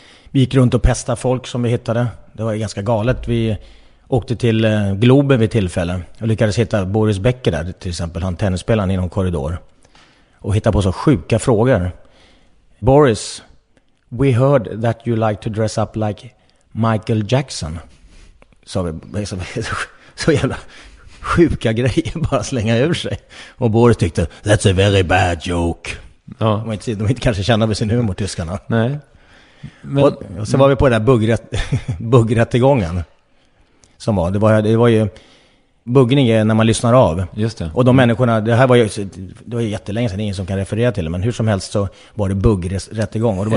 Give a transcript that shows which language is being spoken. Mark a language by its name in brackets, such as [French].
[Swedish] Vi gick runt och pestade folk som vi hittade. Det var ganska galet. Vi åkte till Globen vid tillfälle. Och lyckades hitta Boris Becker där till exempel. Han tennisspelaren i någon korridor. Och hittade på så sjuka frågor. [English] Boris, we heard that you like to dress up like Michael Jackson. [Swedish] Så vi så jävla sjuka grejer bara slänga ur sig. Och Boris tyckte, [English] that's a very bad joke. [Swedish] Ja. De inte kanske känner med sin humor, tyskarna. Nej. Men, och sen var vi på den där buggrättegången. Som var. Det var ju buggning när man lyssnar av. Just det. Och de människorna, det var jättelänge sedan, ingen som kan referera till det. Men hur som helst så var det buggrättegång.